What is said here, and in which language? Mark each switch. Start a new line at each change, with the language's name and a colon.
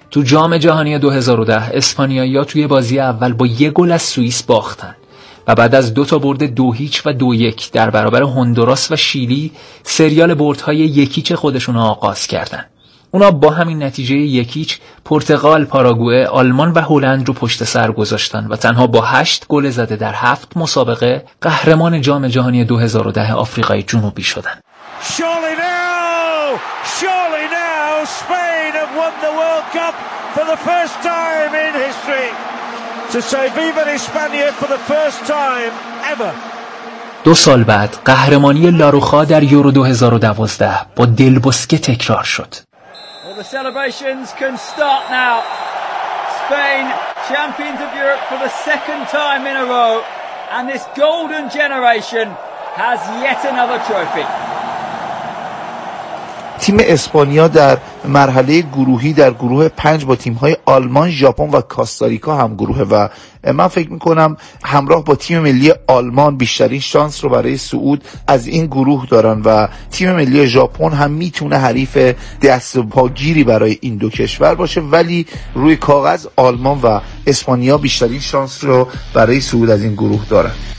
Persian: تو جام جهانی 2010 اسپانیایی ها توی بازی اول با یک گل از سوئیس باختن و بعد از دو تا برد 2-0 و 2-1 در برابر هندوراس و شیلی سریال بردهای یکیچ خودشون رو آغاز کردند. اونا با همین نتیجه یکیچ پرتغال، پاراگوئه، آلمان و هلند رو پشت سر گذاشتن و تنها با 8 گل زده در 7 مسابقه قهرمان جام جهانی 2010 آفریقای جنوبی شدن.
English: Surely now, surely now, Spain have won the World Cup for the first time in history. To say
Spanish: viva España
English: for the first time ever.
Persian: دو سال بعد قهرمانی لاروخا در یورو 2012 با دلبوسکه تکرار شد.
English: The celebrations can start now. Spain, champions of Europe for the second time in a row, and this golden generation has yet another trophy.
Persian: تیم اسپانیا در مرحله گروهی در گروه 5 با تیم‌های آلمان، ژاپن و کاستاریکا هم گروهه و من فکر می‌کنم همراه با تیم ملی آلمان بیشترین شانس رو برای صعود از این گروه دارن و تیم ملی ژاپن هم میتونه حریف دست و پاگیری برای این دو کشور باشه، ولی روی کاغذ آلمان و اسپانیا بیشترین شانس رو برای صعود از این گروه دارن.